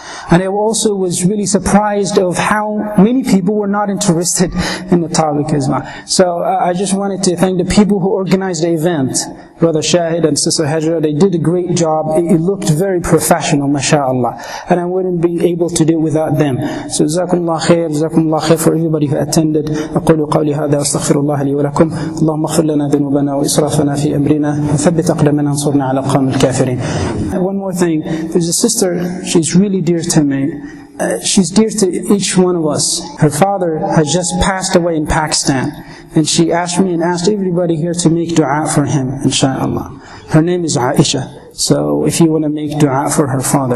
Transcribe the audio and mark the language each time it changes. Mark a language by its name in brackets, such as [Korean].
[English] And I also was really surprised of how many people were not interested in the topic as well. So I just wanted to thank the people who organized the event. Brother Shahid and Sister Hajra, they did a great job. It looked very professional, mashallah. And I wouldn't be able to do it without them. So, Jazakumullah khair for everybody who attended. [Arabic] أقول قولي هذا واستغفر الله لي ولكم. اللهم اغفر لنا ذنوبنا وإسرافنا في أمرنا. وثبت أقدامنا وانصرنا على القوم الكافرين. [English] One more thing. There's a sister, she's really dear to me. She's dear to each one of us. Her father has just passed away in Pakistan. And she asked me and asked everybody here to make dua for him, inshaAllah. Her name is Aisha. So if you want to make dua for her father.